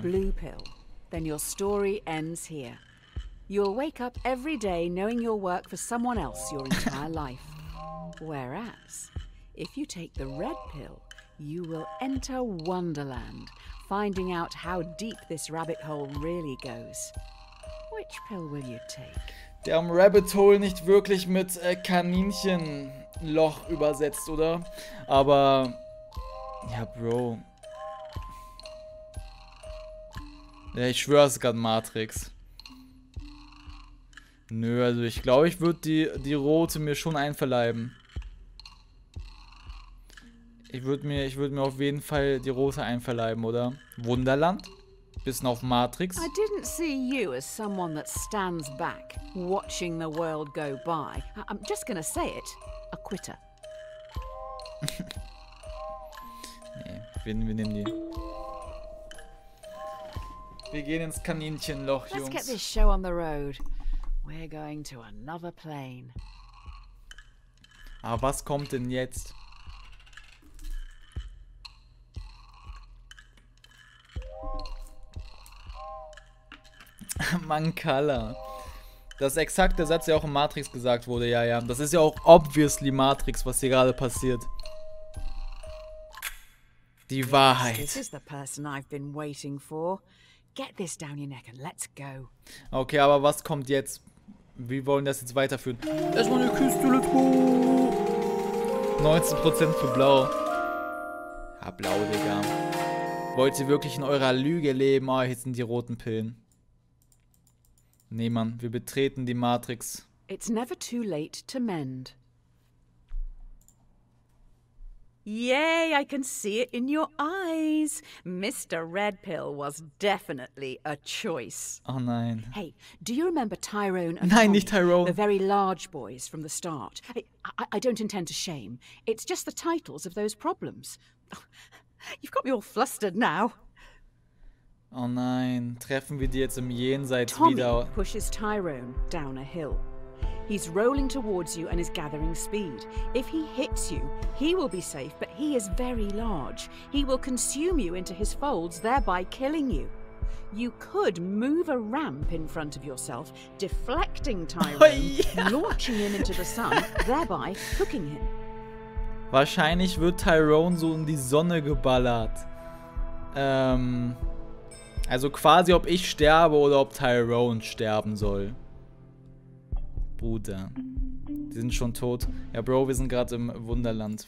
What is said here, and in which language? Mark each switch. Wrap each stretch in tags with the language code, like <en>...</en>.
<en>the blue pill, then your story ends here. You'll wake up every day knowing you'll work for someone else your entire life. Whereas, if you take the red pill, you will enter Wonderland, finding out how deep this rabbit hole really goes. Which pill will you take?</en> <de>Der Rabbit Hole nicht wirklich mit Kaninchenloch übersetzt, oder? Aber, ja, Bro. Ja, ich schwöre, es ist gerade Matrix. Nö, also ich glaube, ich würde die Rote mir schon einverleiben. Ich würde mir auf jeden Fall die Rote einverleiben, oder? Wunderland? Bisschen auf Matrix?</de> <en>I didn't see you as someone that stands back, watching the world go by. I'm just gonna say it, a quitter.</en> <de>Nee, wir nehmen die. Wir gehen ins Kaninchenloch, Jungs.</de> <en>Let's get this show on the road. We're going to another plane.</en> <de>Aber was kommt denn jetzt? Mancala. Das ist exakt der Satz, der auch in Matrix gesagt wurde. Ja, ja. Das ist ja auch obviously Matrix, was hier gerade passiert. Die Wahrheit.</de> <en>This is the person I've been waiting for. Get this down your neck and let's go.</en> <de>Okay, aber was kommt jetzt? Wir wollen das jetzt weiterführen. Erstmal eine Kiste,</de> <en>let's go!</en> <de>19% für Blau. Ja, Blau, Digga. Wollt ihr wirklich in eurer Lüge leben? Oh, jetzt sind die roten Pillen. Nee, Mann, wir betreten die Matrix.</de> <en>It's never too late to mend. Yay, I can see it in your eyes. Mr. Red Pill was definitely a choice.</en> <de>Oh nein.</de> <en>Hey, do you remember Tyrone and Tommy,</en> <de>nicht Tyrone.</de> <en>The very large boys from the start. I don't intend to shame. It's just the titles of those problems. You've got me all flustered now.</en> <de>Oh nein, treffen wir die jetzt im Jenseits Tommy wieder.</de> <en>Tommy pushes Tyrone down a hill. He's rolling towards you and is gathering speed. If he hits you, he will be safe, but he is very large. He will consume you into his folds, thereby killing you. You could move a ramp in front of yourself, deflecting Tyrone, oh, yeah, launching him into the sun, thereby hooking him.</en> <de>Wahrscheinlich wird Tyrone so in die Sonne geballert. Also quasi, ob ich sterbe oder ob Tyrone sterben soll. Bruder, die sind schon tot. Ja, Bro, wir sind gerade im Wunderland.</de>